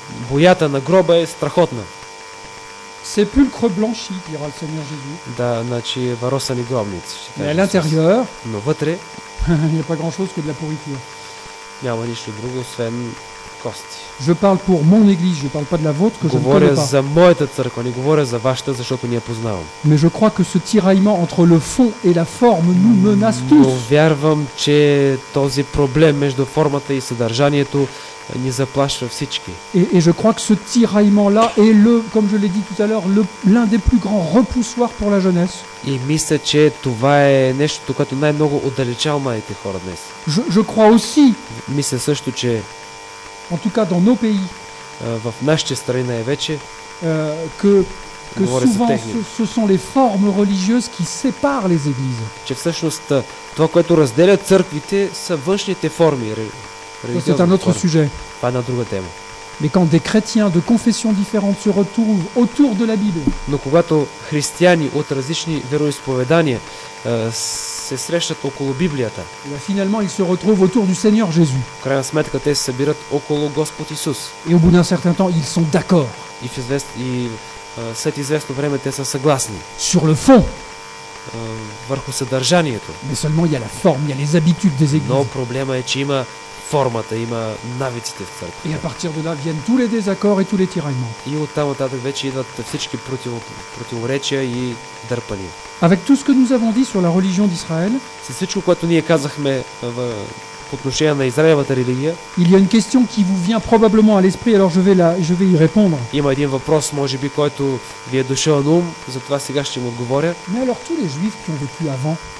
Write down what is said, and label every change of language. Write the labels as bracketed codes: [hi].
[bg] Боята на гроба е страхотна. [fr] Sépulcre blanchi, dira le Seigneur Jésus. [bg] Да, значи варосани гробници. [fr] À l'intérieur, [bg] но вътре, [fr] il n'y a pas grand-chose que de la pourriture. [bg] Няма нищо друго, освен кости. [fr] Je parle pour mon église, je parle pas de la vôtre que [bg] говоря [fr] je ne connais pas. [bg] Говоря за моята църква, не говоря за вашата, защото не я познавам. [fr] Mais je crois que ce tiraillement entre le fond et la forme nous menace tous. [bg] Вярвам, че този проблем между формата и съдържанието ни заплашва всички. [fr] Et je crois que ce tiraillement là est le, comme je l'ai dit tout à l'heure, l'un des plus grands repoussoirs pour la jeunesse. [bg] И мисля, че това е нещо, което най-много отдалечава младите хора днес. [fr] Je crois aussi. [bg] Мисля също, че [fr] en tout cas dans nos pays, [bg] в нашите страни най-вече, [fr] que souvent ce sont les formes religieuses qui séparent les églises. [bg] Че всъщност това, което разделя църквите, са външните форми. [fr] C'est un autre sujet. Pas une autre thème. Mais quand des chrétiens de confessions différentes se retrouvent autour de la Bible. [bg] Но когато християни от различни вероисповедания се срещат около Библията. [fr] Et finalement ils se retrouvent autour du Seigneur Jésus. [bg] В крайна сметка те се събират около Господ Исус. [fr] Et au bout d'un certain temps ils sont d'accord. [bg] И след известно време те са съгласни. [fr] Sur le fond. [bg] Върху съдържанието. [fr] Mais seulement il y a la forme, il y a les habitudes des églises. [bg] Но проблема е, че има формата, има навиците в църквата. [fr] Et à partir de là viennent tous les désaccords et tous les tiraillements. [bg] И оттам нататък вече идват всички противоречия и дърпания. [fr] Avec tout ce que nous avons dit sur la religion d'Israël, c'est ce que [bg] ние казахме по отношение на Израелевата религия. [fr] Il y a une question qui vous vient probablement à l'esprit, alors je vais y répondre. [bg] Има един въпрос, може би, който ви е дошъл на ум, затова сега ще му отговоря. [fr] Mais alors tous les juifs qui ont vécu avant,